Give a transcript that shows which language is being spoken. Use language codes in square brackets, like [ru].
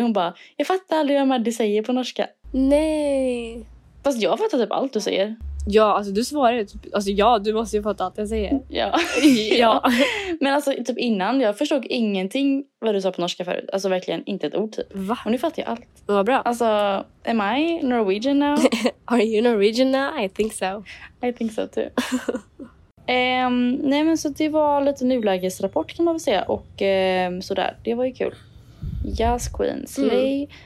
[sv] Hon bara, jag fattar aldrig vad Maddie säger på norska. Nej. Fast jag fattar typ allt du säger. Ja, alltså du svarar ju typ... Alltså ja, du måste ju fatta allt jag säger. Ja. Ja. Men alltså typ innan, jag förstod ingenting vad du sa på norska förut. Alltså verkligen inte ett ord typ. Va? Och nu fattar jag allt. Vad bra. Alltså, [en] am I Norwegian now? Are you Norwegian now? I think so too. [sv] nej men så det var lite nulägesrapport kan man väl säga. Och sådär, det var ju kul. [en] Yes, queen. Slay.